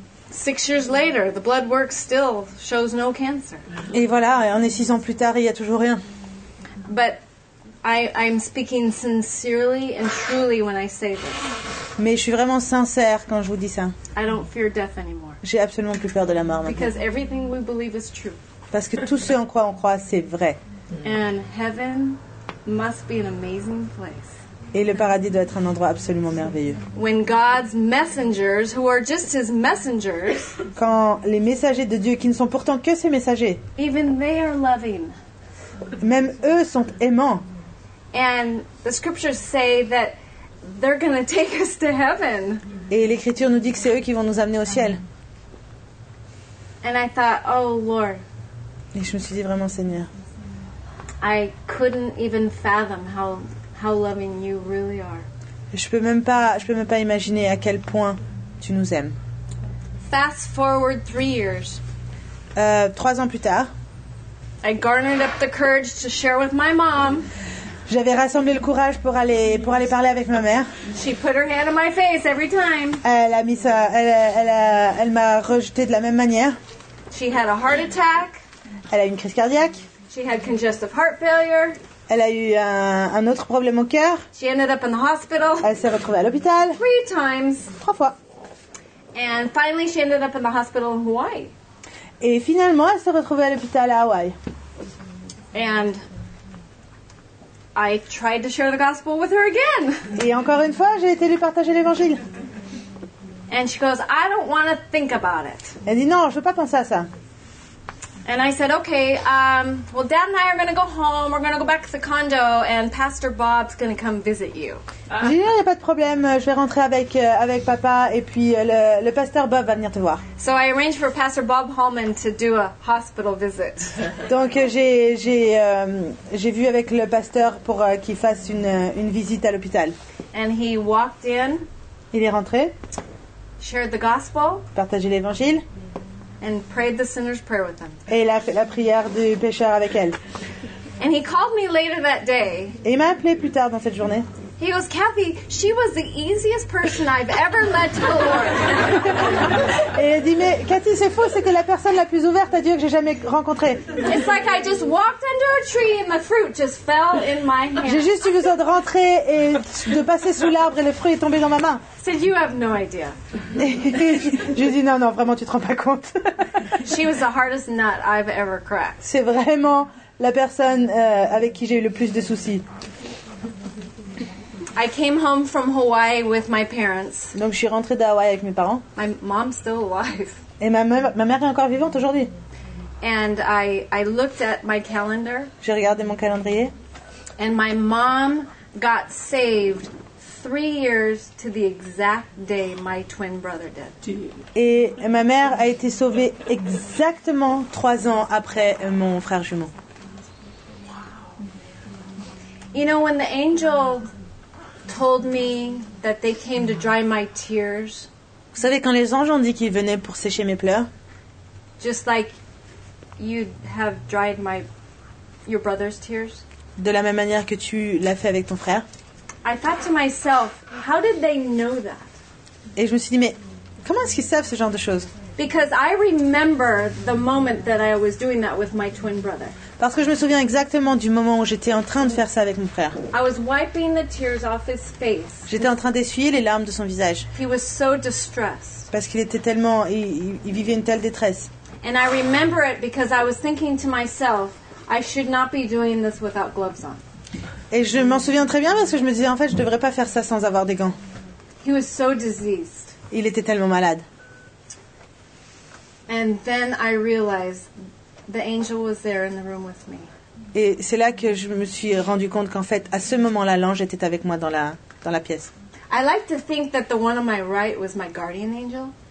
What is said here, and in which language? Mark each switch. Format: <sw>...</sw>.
<en>6 years later, the blood work still shows no cancer.</en> <fr>Et voilà, on est 6 ans plus tard, il y a toujours rien.</fr> <en>But I'm speaking sincerely and truly when I say this.</en> <fr>Mais je suis vraiment sincère quand je vous dis ça.</fr> <en>I don't fear death anymore.</en> <fr>J'ai absolument plus peur de la mort maintenant.</fr> <en>Because everything we believe is true.</en> <fr>Parce que tout ce en quoi on croit, c'est vrai.</fr> <en>And heaven must be an amazing place.</en> <fr>Et le paradis doit être un endroit absolument merveilleux.</fr> <en>When God's messengers, who are just his messengers,</en> <fr>quand les messagers de Dieu, qui ne sont pourtant que ses messagers,</fr> <en>even they are loving.</en> <fr>Même eux sont aimants.</fr> <en>And the scriptures say that they're going to take us to heaven.</en> <fr>Et l'écriture nous dit que c'est eux qui vont nous amener au ciel.</fr> <en>And I thought, oh Lord.</en> <fr>Et je me suis dit vraiment, Seigneur.</fr> <en>I couldn't even fathom how loving you really are.</en> <fr>Je peux même pas imaginer à quel point tu nous aimes.</fr> <en>Fast forward 3 years.</en> <fr>3 ans plus tard.</fr> <en>I garnered up the courage to share with my mom.</en> <fr>J'avais rassemblé le courage pour aller parler avec ma mère.</fr> <en>She put her hand on my face every time.</en> <fr>Elle m'a rejeté de la même manière.</fr> <en>She had a heart attack.</en> <fr>Elle a eu une crise cardiaque.</fr> <en>She had congestive heart failure.</en> <fr>Elle a eu un autre problème au cœur.</fr> <en>She ended up in the hospital.</en> <fr>Elle s'est retrouvée à l'hôpital.</fr> <en>3 times.</en> <fr>3 fois.</fr> <en>And finally she ended up in the hospital in Hawaii.</en> <fr>Et finalement, elle s'est retrouvée à l'hôpital à Hawaï.</fr> <en>And I tried to share the gospel with her again.</en> <fr>Et encore une fois, j'ai été lui partager l'évangile.</fr> <en>And she goes, I don't want to think about it.</en> <fr>Elle dit, non, je ne veux pas penser à ça.</fr> <en>And I said, okay, well, Dad and I are going to go home. We're going to go back to the condo and Pastor Bob's going to come visit you.</en> <fr>J'ai dit, il n'y a pas de problème. Je vais rentrer avec papa et puis le pasteur Bob va venir te voir.</fr> <en>So I arranged for Pastor Bob Holman to do a hospital visit.</en> <fr>Donc j'ai vu avec le pasteur pour qu'il fasse une visite à l'hôpital.</fr> <en>And he walked in.</en> <fr>Il est rentré.</fr> <en>Shared the gospel.</en> <fr>Partagé l'évangile.</fr> <en>And prayed the sinner's prayer with them.</en> <fr>Et il a fait la prière du pécheur avec elle.</fr> <en>And he called me later that day.</en> <fr>Et il m'a appelé plus tard dans cette journée.</fr> <en>He goes, Kathy, she was the easiest person I've ever led to the Lord.</en> <fr>Et il dit, mais Cathy, c'est faux, c'est que la personne la plus ouverte à Dieu que j'ai jamais rencontrée.</fr> <en>It's like I just walked under a tree and the fruit just fell in my hand.</en> <fr>J'ai juste eu besoin de rentrer et de passer sous l'arbre et le fruit est tombé dans ma main.</fr> <en>I said, you have no idea.</en> <fr>J'ai dit, non, vraiment, tu te rends pas compte.</fr> <en>She was the hardest nut I've ever cracked.</en> <fr>C'est vraiment la personne avec qui j'ai eu le plus de soucis.</fr> <en>I came home from Hawaii with my parents.</en> <fr>Donc je suis rentrée d'Hawaï avec mes parents.</fr> <en>My mom's still alive.</en> <fr>Et ma mère est encore vivante aujourd'hui.</fr> <en>And I looked at my calendar.</en> <fr>J'ai regardé mon calendrier.</fr> <en>And my mom got saved 3 years to the exact day my twin brother did.</en> <fr>Et ma mère a été sauvée exactement 3 ans après mon frère jumeau.</fr> <en>You know, when the angel told me that they came to dry my tears.</en> <fr>Vous savez, quand les anges ont dit qu'ils venaient pour sécher mes pleurs,</fr> <en>just like you have dried your brother's tears.</en> <fr>De la même manière que tu l'as fait avec ton frère.</fr> <en>I thought to myself, how did they know that?</en> <fr>Et je me suis dit, mais comment est-ce qu'ils savent ce genre de choses?</fr> <en>Because I remember the moment that I was doing that with my twin brother.</en> <fr>Parce que je me souviens exactement du moment où j'étais en train de faire ça avec mon frère.</fr> <en>I was wiping the tears off his face.</en> <fr>J'étais en train d'essuyer les larmes de son visage.</fr> <en>He was so distressed.</en> <fr>Parce qu'il était tellement, il vivait une telle détresse.</fr> <en>And I remember it because I was thinking to myself, I should not be doing this without gloves on.</en> <fr>Et je m'en souviens très bien parce que je me disais, en fait, je devrais pas faire ça sans avoir des gants.</fr> <en>He was so diseased.</en> <fr>Il était tellement malade.</fr> <en>And then I realized the angel was there in the room with me.</en> <fr>Et c'est là que je me suis rendu compte qu'en fait, à ce moment-là, l'ange était avec moi dans la pièce.</fr> <en>I like to think that the one on my right was my guardian angel.</en>